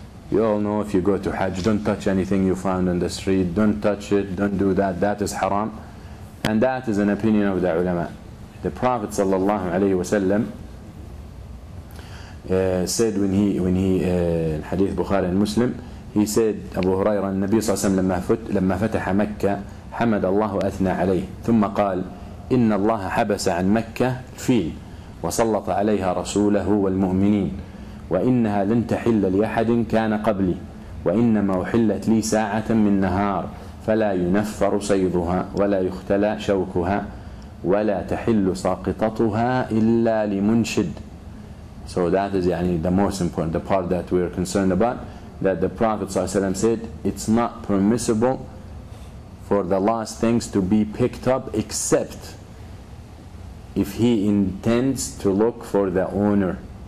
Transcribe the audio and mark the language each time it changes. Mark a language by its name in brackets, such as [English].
[English] You all know if you go to Hajj, don't touch anything you found on the street, don't touch it, don't do that, that is haram. And that is an opinion of the ulama. The Prophet ﷺ said when he, in Hadith Bukhari and Muslim, He said, Abu Huraira, [Arabic] النبي صلى الله عليه وسلم لما فتح مكة حمد الله أثنى عليه ثم قال إن الله حبس عن مكة الفيل وسلط عليها رسوله والمؤمنين وإنها لن تحل لأحد كان قبلي وإنما أحلت لي ساعة من نهار فلا ينفر صيدها ولا يختلى شوكها ولا تحل ساقطتها إلا لمنشد. [English] So that is يعني the most important, the part that we are concerned about, that the Prophet صلى الله عليه وسلم said, it's not permissible for the lost things to be picked up except if he intends to look for the owner.